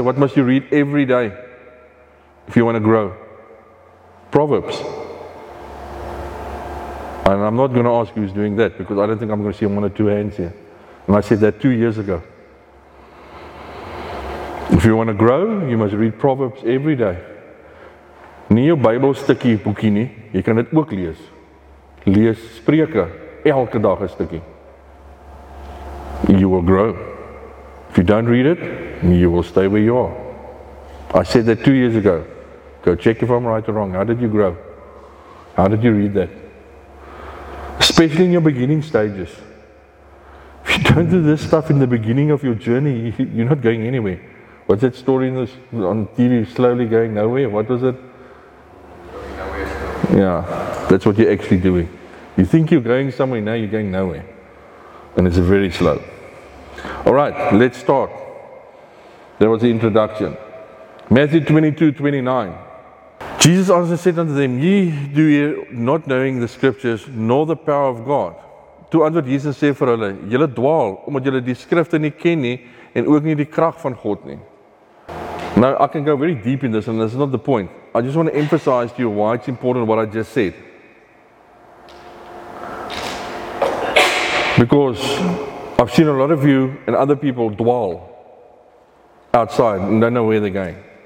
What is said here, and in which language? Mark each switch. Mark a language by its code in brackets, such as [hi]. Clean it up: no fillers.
[en] What must you read every day if you want to grow? Proverbs. And I'm not going to ask who's doing that, because I don't think I'm going to see one or two hands here. And I said that 2 years ago. If you want to grow, you must read Proverbs every day. [af] Nie jou Bybel stukkie boekie nie, jy kan dit ook lees. Lees Spreuke elke dag 'n stukkie. [en] You will grow. If you don't read it, you will stay where you are. I said that 2 years ago. Go check if I'm right or wrong. How did you grow? How did you read that? Especially in your beginning stages. If you don't do this stuff in the beginning of your journey, you're not going anywhere. What's that story on TV, slowly going nowhere? What was it? Yeah, that's what you're actually doing. You think you're going somewhere, now you're going nowhere. And it's very slow. All right, let's start. That was the introduction. Matthew 22:29. Jesus answered and said unto them, ye do ye not knowing the scriptures, nor the power of God. [af] To antwoord Jesus sê vir hulle, julle dwaal, omdat julle die skrifte nie ken nie, en ook nie die krag van God nie. [en] Now, I can go very deep in this, and this is not the point. I just want to emphasize to you why it's important what I just said. Because I've seen a lot of you and other people dwell outside and don't know where they're going.